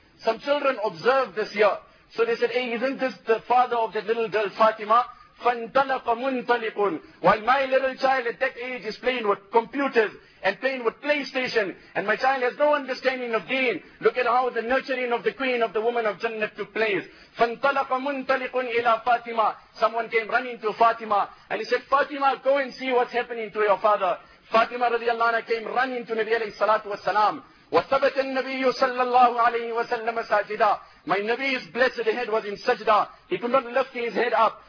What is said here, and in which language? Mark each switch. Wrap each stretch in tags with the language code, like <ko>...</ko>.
<en>Some children observed this here. So they said, hey, isn't this the father of that little girl Fatima?</en> <ar>فَانْتَلَقَ مُنْتَلِقٌ.</ar> <en>While my little child at that age is playing with computers and playing with PlayStation, and my child has no understanding of deen, look at how the nurturing of the queen of the woman of Jannah took place.</en> <ar>فَانْتَلَقَ مُنْتَلِقٌ إِلَىٰ Fatima.</ar> <en>Someone came running to Fatima and he said, Fatima, go and see what's happening to your father. Fatima radiallahu anha came running to Nabi alayhi salatu wassalam.</en> <ar>وَثَبَتَ النَّبِيُّ صَلَّى اللَّهُ عَلَيْهِ وَسَلَّمَ سَاجِدًا.</ar> <en>My Nabi's blessed head was in sajda. He could not lift his head up.</en>